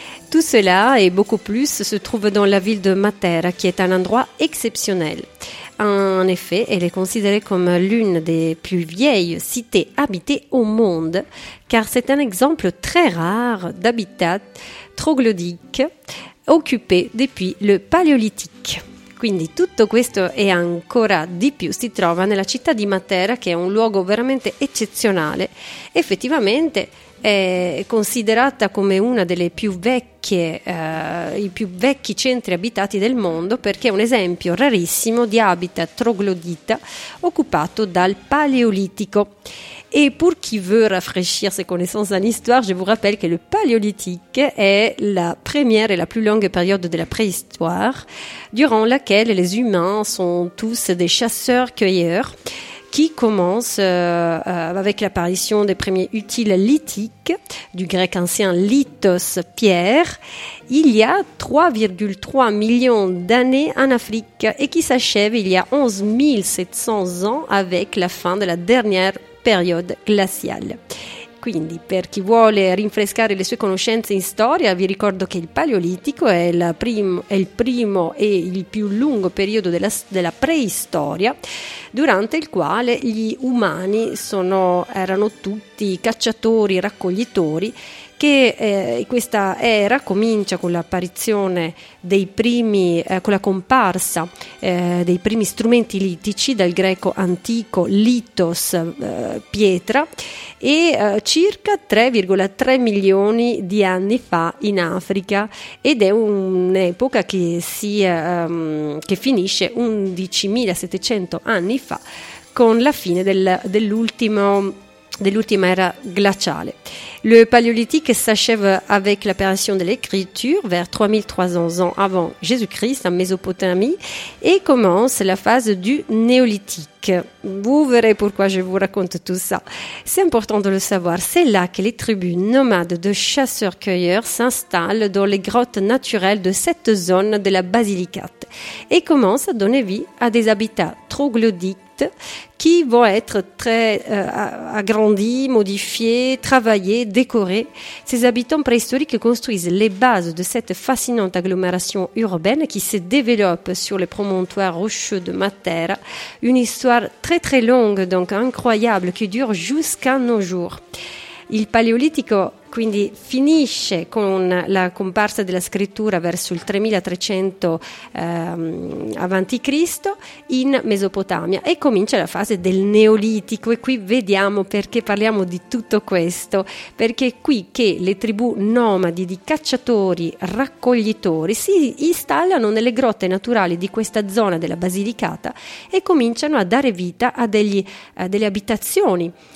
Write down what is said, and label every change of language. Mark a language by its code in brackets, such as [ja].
[fr] Tout cela et beaucoup plus se trouve dans la ville de Matera, qui est un endroit exceptionnel. En effet, elle est considérée comme l'une des plus vieilles cités habitées au monde, car c'est un exemple très rare d'habitat troglodytique occupé depuis le paléolithique. [it] Quindi tutto questo e ancora di più si trova nella città di Matera, che è un luogo veramente eccezionale. Effettivamente è considerata come una delle più vecchie, i più vecchi centri abitati del mondo, perché è un esempio rarissimo di habitat troglodita occupato dal Paleolitico. [fr] Et pour qui veut rafraîchir ses connaissances en histoire, je vous rappelle que le paléolithique est la première et la plus longue période de la préhistoire, durant laquelle les humains sont tous des chasseurs-cueilleurs, qui commencent avec l'apparition des premiers outils lithiques, du grec ancien lithos, pierre, il y a 3,3 millions d'années en Afrique, et qui s'achève il y a 11 700 ans avec la fin de la dernière période glaciale. [it] Quindi, per chi vuole rinfrescare le sue conoscenze in storia, vi ricordo che il Paleolitico è il primo e il più lungo periodo della preistoria, durante il quale gli umani erano tutti cacciatori, raccoglitori, questa era comincia con l'apparizione dei primi, con la comparsa dei primi strumenti litici, dal greco antico lithos, pietra, e circa 3,3 milioni di anni fa in Africa, ed è un'epoca che finisce 11.700 anni fa, con la fine dell'ultima era glaciale. [fr] Le paléolithique s'achève avec l'apparition de l'écriture vers 3300 ans avant Jésus-Christ en Mésopotamie et commence la phase du néolithique. Vous verrez pourquoi je vous raconte tout ça. C'est important de le savoir. C'est là que les tribus nomades de chasseurs-cueilleurs s'installent dans les grottes naturelles de cette zone de la Basilicate et commencent à donner vie à des habitats troglodytes qui vont être très agrandis, modifiés, travaillés, décorés. Ces habitants préhistoriques construisent les bases de cette fascinante agglomération urbaine qui se développe sur les promontoires rocheux de Matera. Une histoire très très longue, donc incroyable, qui dure jusqu'à nos jours. [it] Il Paléolitico quindi finisce con la comparsa della scrittura verso il 3300 avanti Cristo in Mesopotamia e comincia la fase del Neolitico. E qui vediamo perché parliamo di tutto questo, perché è qui che le tribù nomadi di cacciatori raccoglitori si installano nelle grotte naturali di questa zona della Basilicata e cominciano a dare vita a delle abitazioni